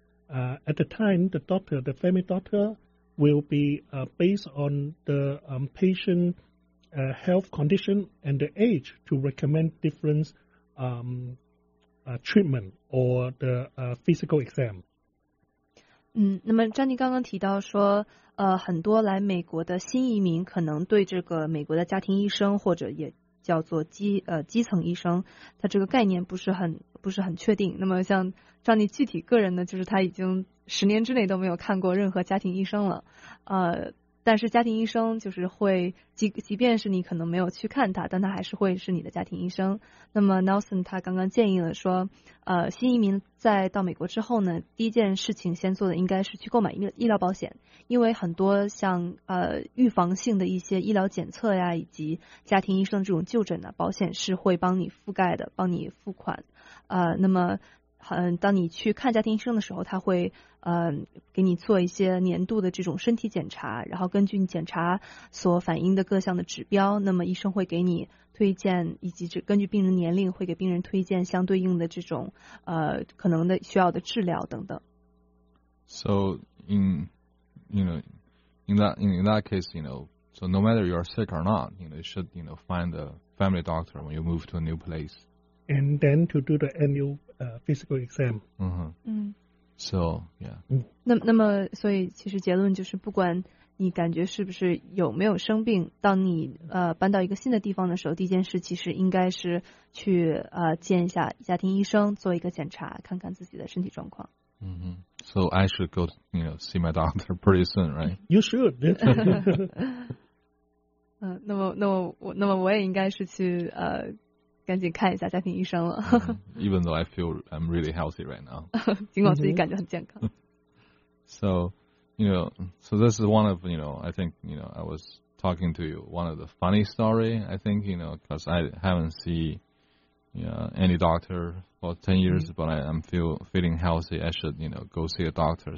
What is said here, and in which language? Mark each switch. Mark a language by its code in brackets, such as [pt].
[en] At the time, the doctor, the family doctor will be based on the patient health condition and the age to recommend different treatment or the physical exam. [zh] 那么张妮刚刚提到说，很多来美国的新移民可能对这个美国的家庭医生或者也叫做基层医生，他这个概念不是很确定。那么像张妮具体个人呢，就是他已经十年之内都没有看过任何家庭医生了，但是家庭医生就是会，即便是你可能没有去看他，但他还是会是你的家庭医生。那么 Nelson 他刚刚建议了说，新移民在到美国之后呢，第一件事情先做的应该是去购买医疗保险，因为很多像预防性的一些医疗检测呀，以及家庭医生这种就诊呢，保险是会帮你覆盖的，帮你付款。那么当你去看家庭医生的时候，他会给你做一些年度的这种身体检查，然后根据你检查所反映的各项的指标，那么医生会给你推荐，以及根据病人年龄会给病人推荐相对应的这种可能的需要的治疗等等。 [en] So in that case, you know, so no matter you are sick or not, you know, you should find a family doctor when you move to a new place. And then to do the annual physical exam. 嗯哼。So, yeah. [zh] 那么所以其实结论就是，不管你感觉是不是有没有生病，当你搬到一个新的地方的时候，第一件事其实应该是去见一下家庭医生，做一个检查，看看自己的身体状况。嗯哼。 [en] So I should go, see my doctor pretty soon, right? You should. [zh] 那么我也应该是去赶紧看一下家庭医生了。 [en] Even though I feel I'm really healthy right now. [zh] 尽管自己感觉很健康。 [en] So, so this is one of, I think, I was talking to you, one of the funny story, I think, because I haven't seen any doctor for 10 years, but I'm feeling healthy, I should, go see a doctor.